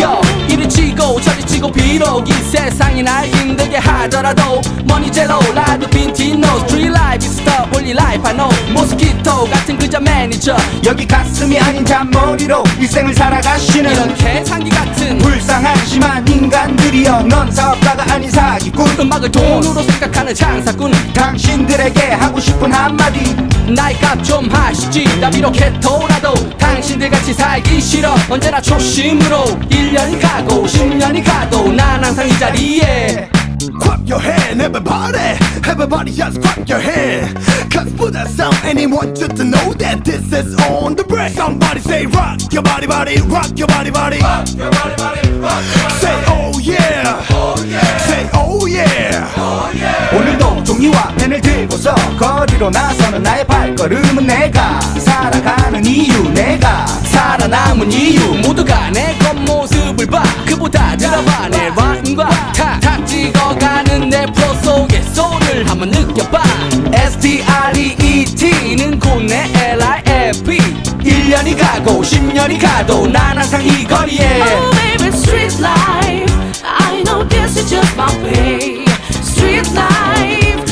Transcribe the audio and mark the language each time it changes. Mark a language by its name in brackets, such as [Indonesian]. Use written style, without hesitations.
[Korean] Yo, 이를 치고 저리 치고 비록 이 세상이 날 힘들게 하더라도 제로 라드 빈티노. [English] Street life is the only life I know. [Korean] 모스키토 같은 그저 매니저. 여기 가슴이 아닌 잔머리로 일생을 살아가시는 이렇게 상기 같은 불쌍하지만 인간들이여, 넌 사업가가 아닌 사기꾼. 음악을 돈으로 생각하는 장사꾼. 당신들에게 하고 싶은 한마디, 나이 값 좀 하시지. 난 이렇게 돌아도 당신들 같이 살기 싫어. 언제나 초심으로 1년이 가고 10년이 가도 난 항상 이 자리에. [English] Clap your hand, everybody. Everybody just clap your hand. Cause for that sound, anyone just to know that this is on the break. Somebody say rock your body, body. Rock your body, body. Rock your body, body, rock your body. Say oh yeah, oh yeah. Say oh yeah, oh yeah. [Korean] 오늘도 종이와 펜을 들고서 거리로 나서는 나의 발걸음은 내가 살아가는 이유, 내가 살아남은 이유. 모두가 내 겉모습을 봐. 그보다 들어봐 내 rhyme과 탁탁 찍어가는 내 프로 속의 소울을 한번 느껴봐. S.T.R.E.E.T는 곧 내 L.I.F.E. 1년이 가고 10년이 가도 난 항상 이 거리에. [English] Oh baby, street life, I know this is just my way. Street life,